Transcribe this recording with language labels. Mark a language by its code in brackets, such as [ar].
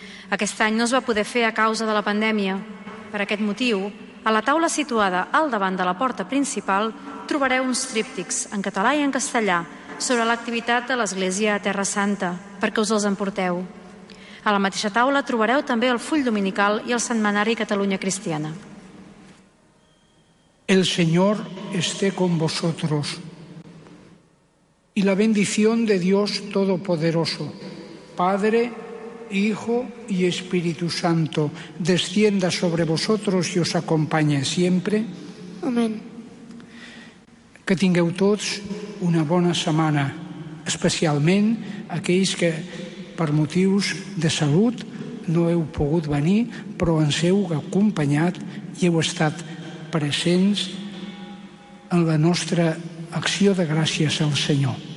[ca] Aquest any no es va poder fer a causa de la pandèmia. Per aquest motiu, a la taula situada al davant de la porta principal trobareu uns tríptics en català i en castellà sobre l'activitat de l'Església a Terra Santa, perquè us els emporteu. A la mateixa taula trobareu també el full dominical i el setmanari Catalunya Cristiana. [es] El Señor esté con vosotros y la bendición de Dios Todopoderoso, Padre, Hijo y Espíritu Santo, descienda sobre vosotros y os acompañe siempre. Amén. [ca] Que tingueu tots una bona setmana, especialment aquells que per motius de salut no heu pogut venir, però ens heu acompanyat i heu estat presents en la nostra acció de gràcies al Senyor.